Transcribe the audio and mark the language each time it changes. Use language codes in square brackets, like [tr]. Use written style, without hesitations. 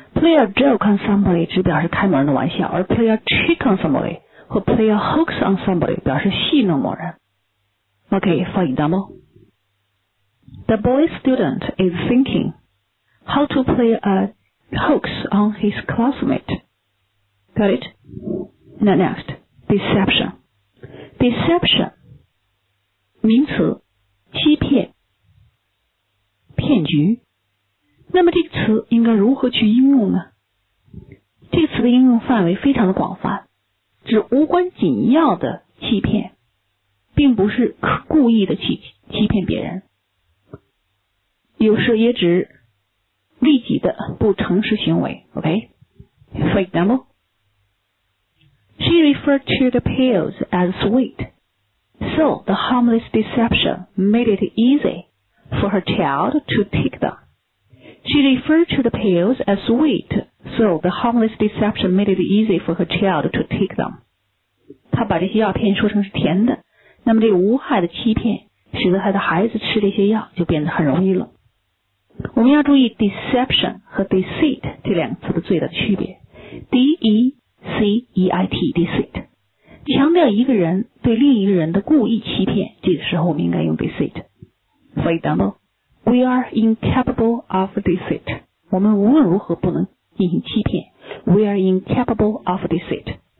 [en] Play a joke on somebody [zh] 指表示开门的玩笑，而 [en] play a trick on somebody [zh] 或 [en] play a hoax on somebody 表示戏弄某人。 Okay, for example, the boy student is thinking. How to play a hoax on his classmate. Got it? Now next, deception. [zh] Deception, 名词欺骗骗局。那么这个词应该如何去应用呢？这个词的应用范围非常的广泛，指无关紧要的欺骗，并不是故意的欺骗别人。有时也指利己的不诚实行为 ,ok? [en] For example, she referred to the pills as sweet, so the harmless deception made it easy for her child to take them. She referred to the pills as sweet, so the harmless deception made it easy for her child to take them. [zh] 她把这些药片说成是甜的，那么这无害的欺骗使得她的孩子吃这些药就变得很容易了。我们要注意 deception 和 deceit 这两词的最大的区别 D-E-C-E-I-T deceit 强调一个人对另一个人的故意欺骗这个时候我们应该用 deceit [en] For example We are incapable of deceit [zh] 我们无论如何不能进行欺骗 [en] We are incapable of deceit